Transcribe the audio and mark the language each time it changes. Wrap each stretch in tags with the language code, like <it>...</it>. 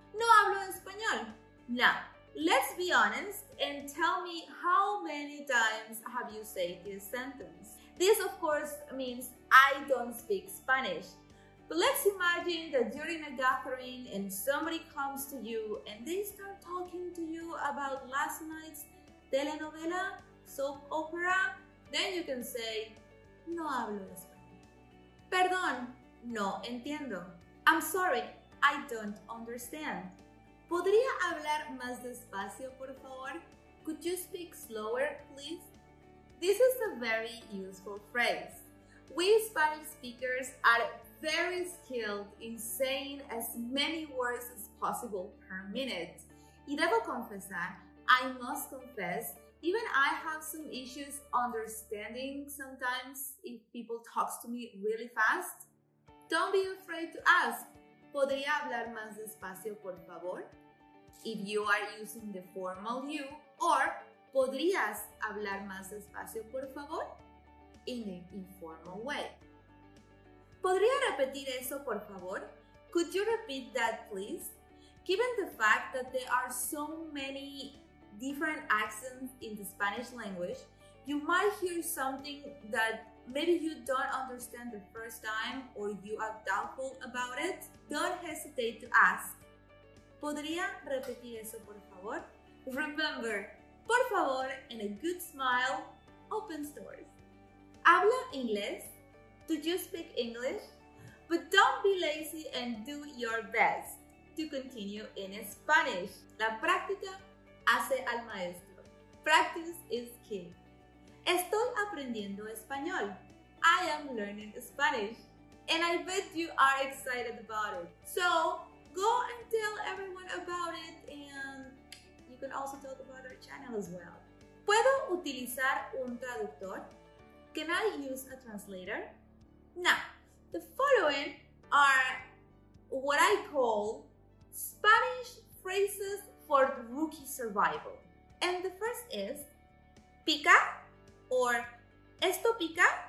<es>No hablo español.</es> <en>Now, let's be honest and tell me how many times have you said this sentence. This, of course, means I don't speak Spanish. But let's imagine that you're in a gathering and somebody comes to you and they start talking to you about last night's telenovela, soap opera. Then you can say,</en> <es>no hablo español. Perdón, no entiendo.</es> <en>I'm sorry, I don't understand.</en> <es>¿Podría hablar más despacio, por favor?</es> <en>Could you speak slower, please? This is a very useful phrase. We Spanish speakers are very skilled in saying as many words as possible per minute.</en> <es>Y debo confesar,</es> <en>I must confess, even I have some issues understanding sometimes if people talk to me really fast. Don't be afraid to ask.</en> <es>¿Podría hablar más despacio, por favor?</es> <en>If you are using the formal you, or</en> <es>¿podrías hablar más despacio, por favor?</es> <en>In the informal way.</en> <es>¿Podría repetir eso, por favor?</es> <en>Could you repeat that, please? Given the fact that there are so many different accents in the Spanish language, you might hear something that maybe you don't understand the first time or you are doubtful about it. Don't hesitate to ask.</en> <es>¿Podría repetir eso, por favor?</es> <en>Remember, por favor and a good smile opens doors.</en> <es>¿Habla inglés?</es> <en>Do you speak English? But don't be lazy and do your best to continue in Spanish.</en> <es>La práctica hace al maestro.</es> <en>Practice is key.</en> <es>Estoy aprendiendo español.</es> <en>I am learning Spanish. And I bet you are excited about it. So, go and tell everyone about it and you can also talk about our channel as well.</en> <es>¿Puedo utilizar un traductor?</es> <en>Can I use a translator? Now, the following are what I call Spanish phrases for rookie survival. And the first is, pica or esto pica?</en>